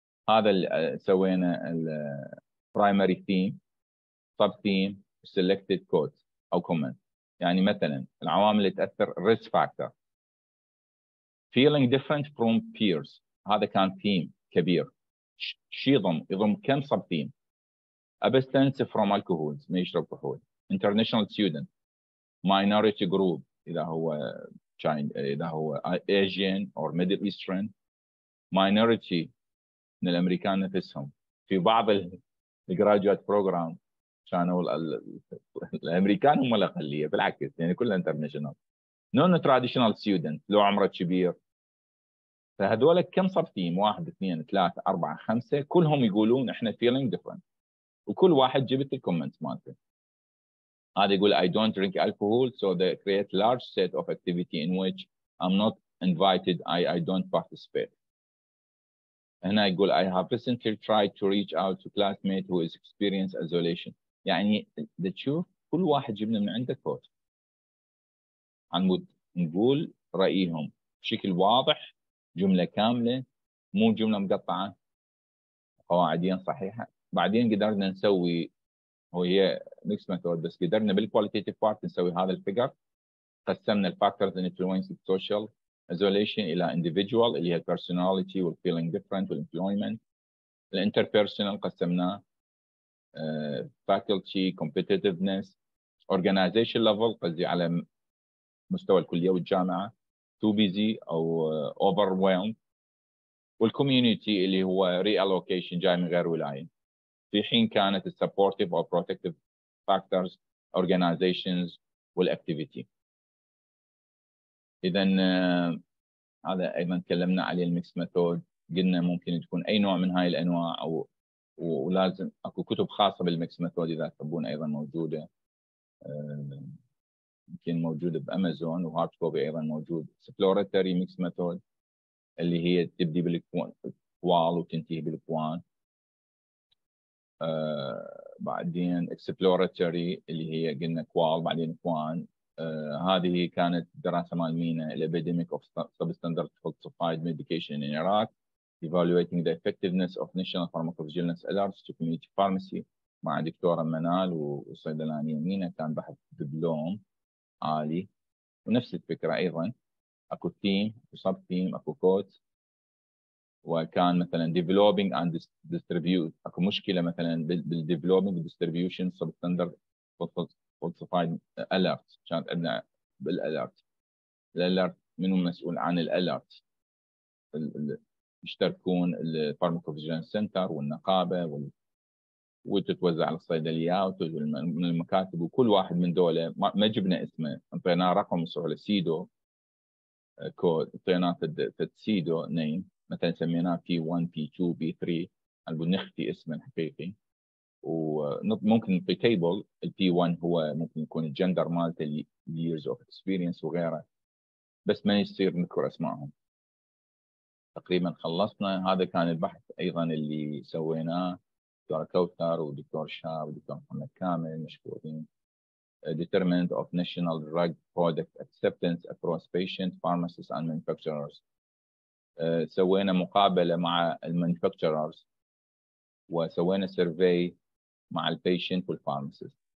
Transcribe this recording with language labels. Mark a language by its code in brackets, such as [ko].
[ar] هذا سوينا الـ [en] primary theme, sub theme, selected quotes أو comments. [ar] يعني مثلا العوامل اللي تأثر risk factor. [en] Feeling different from peers. [ar] هذا كان theme كبير. شي يضم كم sub theme. [en] Abstinence from alcohols. [ar] ما يشرب كحول. [en] International student. Minority group. إذا هو China, إذا هو Asian or Middle Eastern. [ar] Minority من الأمريكان نفسهم. في بعض الجراجوات بروجرام كانوا الأمريكان هم الأقلية، بالعكس يعني كلها انترناشنال. نون تراديشنال ستودنت لو عمره كبير. فهذول كم صفتين؟ واحد اثنين ثلاثة أربعة خمسة، كلهم يقولون إحنا feeling different. وكل واحد جبت الكومنت مالته. هذا يقول [en] I don't drink alcohol so they create large set of activity in which I'm not invited, I don't participate. And I go, I have recently tried to reach out to classmate who is experienced isolation. [ar] يعني تشوف كل واحد جبنا من عنده كوت. عمود نقول رأيهم بشكل واضح، جملة كاملة مو جملة مقطعة، قواعديا صحيحة. بعدين قدرنا نسوي هي ميكس ميثود، بس قدرنا بالكواليتيتيف بارت نسوي هذا الفيجر. قسمنا الفاكتورز اللي [en] Influence السوشيال isolation إلى individual اللي هي personality or feeling different or employment. The interpersonal [ar] قسمناه [en] faculty competitiveness. [ar] Organization level قصدي على مستوى الكلية والجامعة. [en] Too busy أو overwhelmed. [ar] والcommunity اللي هو reallocation جاي من غير ولاية. في حين كانت [en] supportive or protective factors organizations والactivity. [ar] إذن هذا أيضا تكلمنا عليه الميكس ميثود، قلنا ممكن تكون أي نوع من هاي الأنواع، أو ولازم أكو كتب خاصة بالميكس ميثود إذا تحبون، أيضا موجودة ممكن موجودة بأمازون، وهارد كوبي أيضا موجود. exploratory ميكس ميثود اللي هي تبدي بالكوال وتنتهي بالكوان، بعدين exploratory اللي هي قلنا كوال بعدين كوان. هذه كانت دراسة مال مينا، [en] الإبيديميك of substandard falsified medication in Iraq evaluating the effectiveness of national pharmacovigilance alerts to community pharmacy [ar] مع دكتورة منال وصيدلانية مينا، كان بحث دبلوم عالي. ونفس الفكرة أيضا، أكو تيم أكو سب تيم أكو كوت، وكان مثلا developing and distribute، أكو مشكلة مثلا بال developing and distribution substandard falsified falsified alerts. كانت عندنا بالالرت، الالرت منو مسؤول عن الالرت؟ يشتركون الفارماكوفيجيلانس سنتر والنقابه وتتوزع على الصيدليات ومن المكاتب، وكل واحد من دوله ما جبنا اسمه، اعطيناه رقم وصل سيدو كود، اعطيناه سيدو نيم مثلا سميناه P1 P2 P3 نبغى نختي اسمه الحقيقي. وممكن في تيبل الـ P1 هو ممكن يكون الجندر مالته years of experience وغيره، بس ما يصير نذكر اسمائهم. تقريبا خلصنا. هذا كان البحث ايضا اللي سويناه، دكتورة كوثر ودكتور شاب ودكتور محمد كامل مشكورين. [en] Determinant of National Drug Product Acceptance Across Patients, Pharmacists and Manufacturers. [ar] سوينا مقابلة مع المانيفاكتشرز وسوينا سيرفي مع البيشنت والفارماسيست.